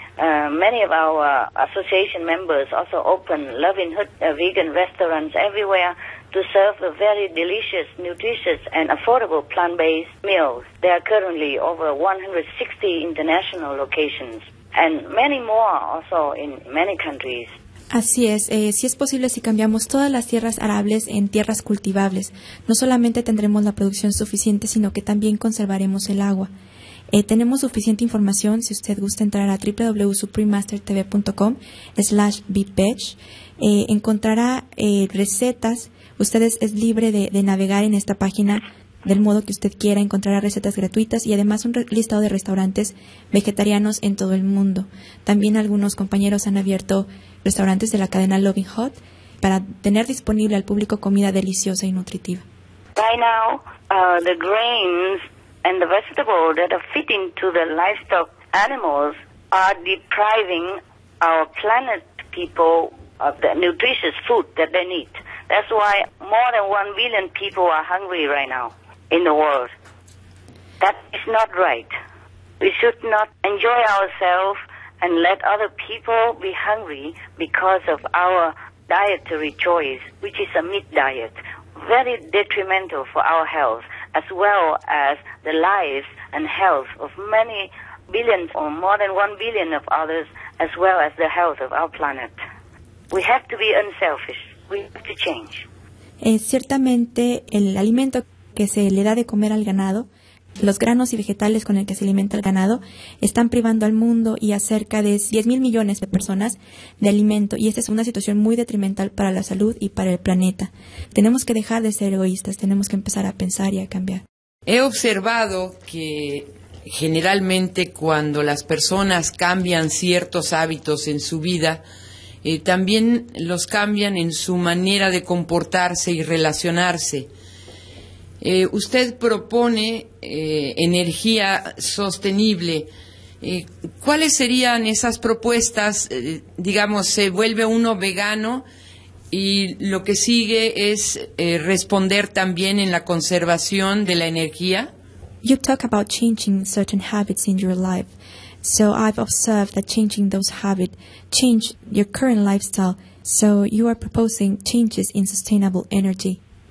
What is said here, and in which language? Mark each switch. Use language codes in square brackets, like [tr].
[en] Many of our association members also open Loving Hood vegan restaurants everywhere to serve a very delicious, nutritious, and affordable plant-based meals. There are currently over 160 international locations, and many more also in many countries. [es] Así es, si es posible si cambiamos todas las tierras arables en tierras cultivables. No solamente tendremos la producción suficiente, sino que también conservaremos el agua. Tenemos suficiente información si usted gusta entrar a www.suprememastertv.com/bpage. Encontrará recetas. Usted es libre de navegar en esta página del modo que usted quiera. Encontrará recetas gratuitas y además un listado de restaurantes vegetarianos en todo el mundo. También algunos compañeros han abierto restaurantes de la cadena Loving Hot para tener disponible al público comida deliciosa y nutritiva. [en] By now, the grains and the vegetables that are fitting to the livestock animals are depriving our planet people of the nutritious food that they need. That's why more than 1 billion people are hungry right now in the world. That is not right. We should not enjoy ourselves and let other people be hungry because of our dietary choice, which is a meat diet. Very detrimental for our health, as well as the lives and health of many billions or more than 1 billion of others, as well as the health of our planet. We have to be unselfish. We have to change. [es] Ciertamente, el alimento que se le da de comer al ganado, los granos y vegetales con el que se alimenta el ganado, están privando al mundo y a cerca de 10,000 millones de personas de alimento, y esta es una situación muy detrimental para la salud y para el planeta. Tenemos que dejar de ser egoístas, tenemos que empezar a pensar y a cambiar. He observado que generalmente cuando las personas cambian ciertos hábitos en su vida, también los cambian en su manera de comportarse y relacionarse. Usted propone energía sostenible. ¿Cuáles serían esas propuestas? Digamos, se vuelve uno vegano y lo que sigue es responder también en la conservación de la energía. [en] You talk about changing certain habits in your life. So I've observed that changing those habits change your current lifestyle. So you are proposing changes in sustainable energy.